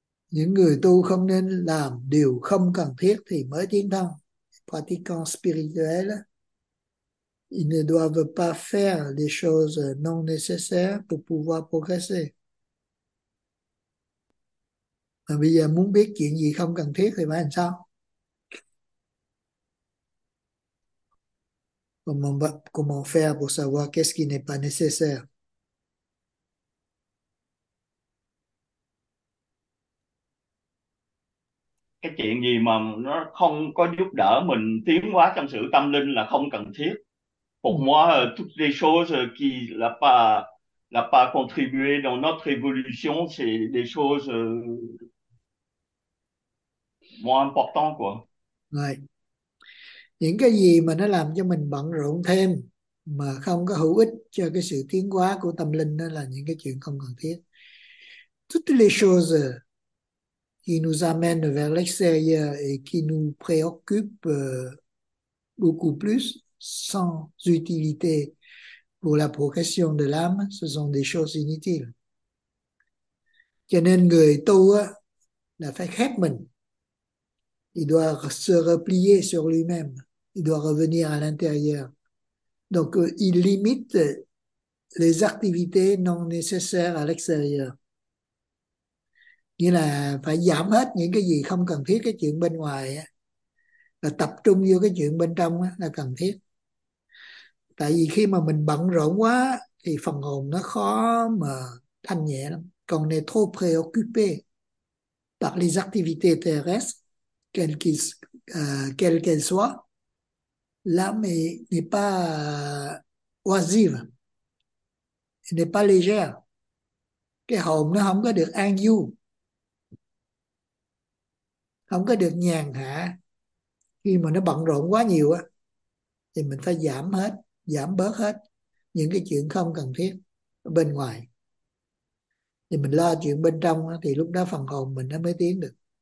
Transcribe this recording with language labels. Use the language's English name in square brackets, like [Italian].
[Vietnamese] Những người tu không nên làm điều không cần thiết thì mới tiến thân. [French] Pratiquant spirituel, ils ne doivent pas faire les choses non nécessaires pour pouvoir progresser. [Vietnamese] Mà bây giờ muốn biết chuyện gì không cần thiết thì phải làm sao? [French] Comment faire pour savoir qu'est-ce qui n'est pas nécessaire? [Vietnamese] Cái chuyện gì mà nó không có giúp đỡ mình tiến hóa trong sự tâm linh là không cần thiết. [French] Pour moi, toutes les choses qui n'a pas contribué dans notre évolution, c'est des choses moins importantes, quoi. [Vietnamese] Rồi. Những cái gì mà nó làm cho mình bận rộn thêm mà không có hữu ích cho cái sự tiến hóa của tâm linh, đó là những cái chuyện không cần thiết. [French] Toutes les choses qui nous amènent vers l'extérieur et qui nous préoccupent beaucoup plus sans utilité pour la progression de l'âme, ce sont des choses inutiles. [Vietnamese] Cho nên người tu á, là phải khép mình. [French] Il doit se replier sur lui-même. Il doit revenir à l'intérieur. Donc, il limite les activités non nécessaires à l'extérieur. [Vietnamese] Nghĩa là phải giảm hết những cái gì không cần thiết, cái chuyện bên ngoài, và tập trung vô cái chuyện bên trong là cần thiết. Tại vì khi mà mình bận rộn quá thì phần hồn nó khó mà thanh nhẹ lắm. Còn này [French] trop préoccupé par les activités terrestres, quelle qu'elle soit, l'âme n'est pas oisive, n'est pas légère. [Vietnamese] Cái hồn nó không có được an du, không có được nhàn hạ. Khi mà nó bận rộn quá nhiều á thì mình phải giảm hết, giảm bớt hết những cái chuyện không cần thiết bên ngoài, thì mình lo chuyện bên trong á, thì lúc đó phần hồn mình nó mới tiến được.